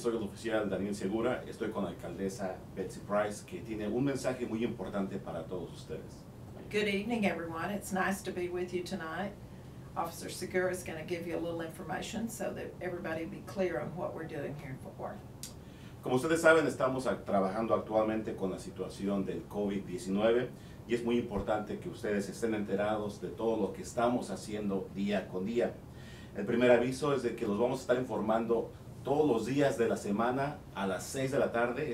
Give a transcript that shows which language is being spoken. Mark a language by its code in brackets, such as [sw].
[es] Soy el oficial Daniel Segura. Estoy con la alcaldesa Betsy Price, que tiene un mensaje muy importante para todos ustedes. [en] Good evening, everyone. It's nice to be with you tonight. Officer Segura is going to give you a little information so that everybody be clear on what we're doing here in Fort Worth. [es] Como ustedes saben, estamos trabajando actualmente con la situación del COVID-19 y es muy importante que ustedes estén enterados de todo lo que estamos haciendo día con día. El primer aviso es de que los vamos a estar informando todos los días de la semana a las 6 de la tarde.